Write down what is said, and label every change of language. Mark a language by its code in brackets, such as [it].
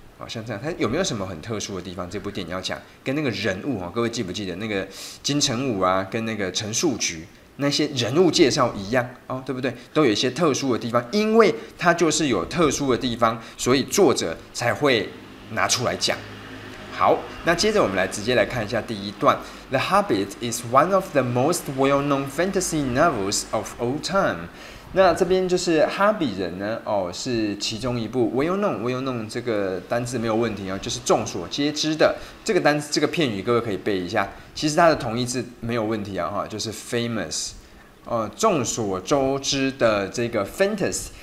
[zh] 像这样，他有没有什么很特殊的地方？这部电影要讲跟那个人物，各位记不记得那个金城武啊，跟那个陈树菊那些人物介绍一样哦，对不对？都有一些特殊的地方，因为他就是有特殊的地方，所以作者才会拿出来讲。好，那接着我们来直接来看一下第一段。 [en] The Hobbit is one of the most well-known fantasy novels of all time。 [zh] 那这边就是哈比人呢，哦，是其中一部。 Well known 这个单字没有问题哦，就是众所皆知的这个单字，这个片语各位可以背一下。其实它的同义字没有问题啊，就是 famous， 众所周知的这个 fantasy。